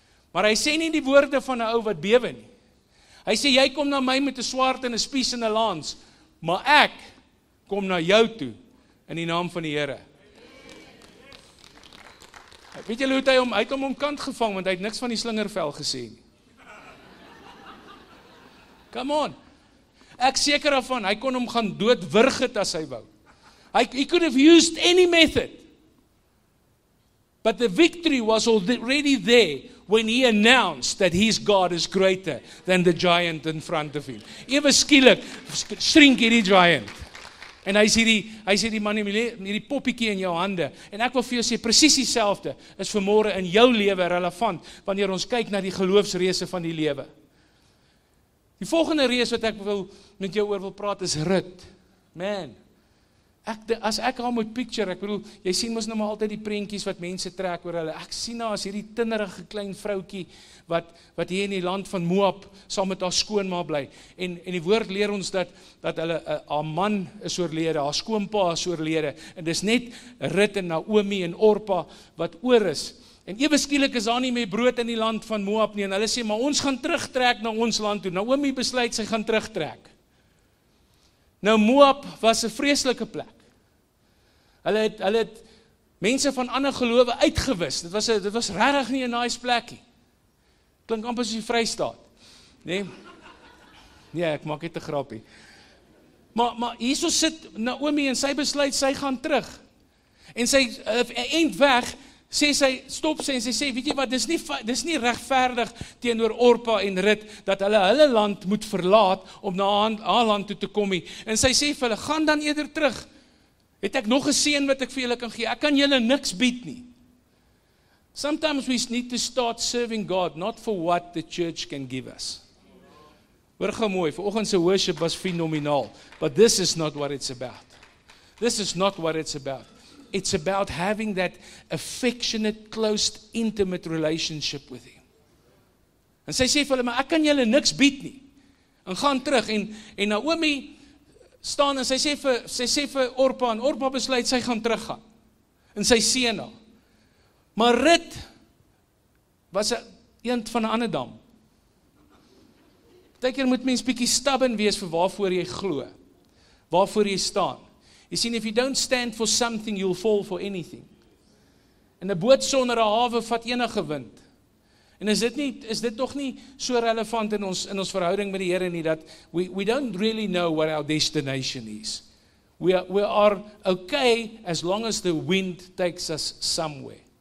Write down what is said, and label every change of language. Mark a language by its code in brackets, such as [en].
[af] Maar hy sê nie die woorde van 'n ou wat bewe nie. Hy sê, jy kom na my met 'n swaard en 'n spies en 'n lans, maar ek kom na jou toe in die naam van die Here. Weet julle hoe het hy hom, hy het hom omkant gevang, want hy het niks van die slingervel gesê. [en] Come on. [af] Ek seker daarvan, hy kon hom gaan doodwurg het as hy wou. [en] He could have used any method. But the victory was already there when he announced that his God is greater than the giant in front of him. [af] Ewe skielik, shrink hierdie giant. En hy sê die man hierdie poppiekie in jou hande. En ek wil vir jou sê, precies dieselfde is vanmôre in jou lewe relevant, wanneer ons kyk na die geloofsreise van die lewe. Die volgende reis wat ek wil met jou oor wil praat is Rut. Man, as ek haar moet picture, ek bedoel, jy sien ons nou maar altyd die prentjies wat mense trek oor hulle. Ek sien haar as hierdie tinnerige klein vroukie wat hier in die land van Moab saam met haar skoonma bly. En die woord leer ons dat hulle haar man is oorlede, haar skoonpa is oorlede. En dis net Rut en Naomi en Orpa wat oor is. En ewe skielik is daar nie meer brood in die land van Moab nie. En hulle sê, maar ons gaan terugtrek na ons land toe. Naomi besluit, sy gaan terugtrek. Nou Moab was 'n vreselike plek. Hulle het mense van ander gelowe uitgewis. Dit was regtig nie 'n nice plekkie. Klink amper soos die Vrystaat. Nee, ek maak net 'n grapie. Maar hierso sit Naomi en sy besluit, sy gaan terug. En sy, eind weg, sê sy, stop sy en sy sê, weet jy wat, dis nie regverdig teenoor Orpa en Rut, dat hulle land moet verlaat, om na haar land toe te kom hier. En sy sê vir hulle, gaan dan eerder terug, het ek nog 'n seën wat ek vir julle kan gee, ek kan julle niks bied nie. [en] Sometimes we need to start serving God, not for what the church can give us. [af] Hoor gou mooi, vanoggend se worship was fenomenaal, [en] but this is not what it's about. This is not what it's about. It's about having that affectionate, close, intimate relationship with him. [af] En sy sê vir hulle, maar ek kan julle niks bied nie. En gaan terug, en Naomi staan, en sy sê vir Orpa, en Orpa besluit, sy gaan teruggaan. En sy seën haar. Maar Rut was een eend van 'n ander dam. Partykeer moet mens bietjie stubborn wees vir waarvoor jy glo. Waarvoor jy staan. [en] You see, if you don't stand for something, you'll fall for anything. [af] En 'n boot sonder 'n hawe vat enige wind. En is dit toch nie so relevant in ons verhouding met die Here nie, dat [en] we don't really know what our destination is. We are okay as long as the wind takes us somewhere.